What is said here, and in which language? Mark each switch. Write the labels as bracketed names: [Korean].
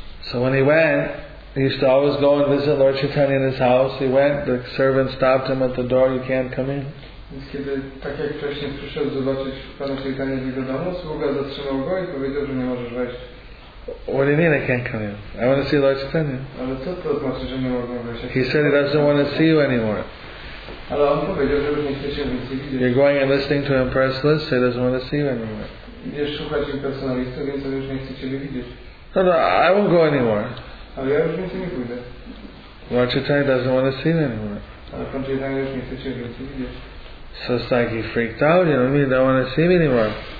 [English] So when he went, he used to always go and visit Lord Chaitanya in his house. He went, the servant stopped him at the door, "You can't come in." [Polish] Więc kiedy, tak jak wcześniej przyszedł zobaczyć Pana Chaitanya do domu, sługa zatrzymał go i powiedział, że nie możesz wejść. [English] What do you mean I can't come in? I want to see Lord Chaitanya. [Polish] Ale co to znaczy, że nie mogę wejść? [English] He said he doesn't want to see you anymore. [Polish] Ale on powiedział, że już nie chce się więcej widzieć. [English] You're going and listening to impersonalists, he doesn't want to see you anymore. [Polish] Idziesz szukać impersonalistów, więc on już nie chce Ciebie widzieć. [English] No, I won't go anymore. [Polish] Ale ja już więcej nie pójdę. [English] Lord Chaitanya doesn't want to see you anymore. [Polish] Ale Pan Chaitanya już nie chce Ciebie więcej widzieć. [English] So it's like he freaked out, you know, he don't want to see me anymore.